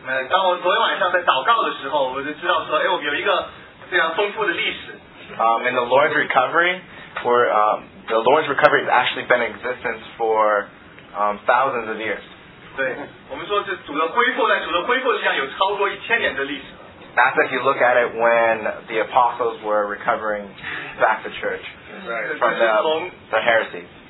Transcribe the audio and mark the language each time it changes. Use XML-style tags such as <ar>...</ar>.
<zh>当我昨天晚上在祷告的时候，我就知道说，哎，我们有一个非常丰富的历史。</zh> <en>In the Lord's recovery, the Lord's recovery has actually been in existence for thousands of years.</en> <zh>对，我们说这主的恢复，在主的恢复上有超过一千年的历史。</zh> <en>That's if you look at it when the apostles were recovering back the church from the heresies.</en>